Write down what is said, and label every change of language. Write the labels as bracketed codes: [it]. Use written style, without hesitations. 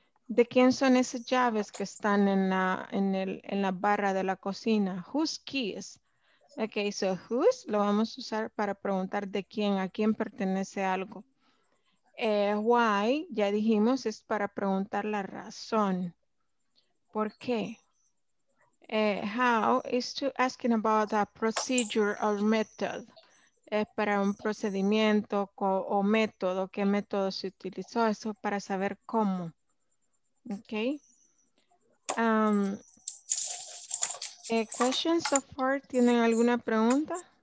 [es] ¿De quién son esas llaves que están en la barra de la cocina? [en] Whose keys? [es] Okay, so whose lo vamos a usar para preguntar de quién, a quién pertenece algo. Why, ya dijimos, es para preguntar la razón. ¿Por qué? [en] How is to asking about a procedure or method. [es] Para un procedimiento o método, ¿qué método se utilizó? Eso para saber cómo. Okay. [en] Questions so far, [es] ¿tienen alguna pregunta?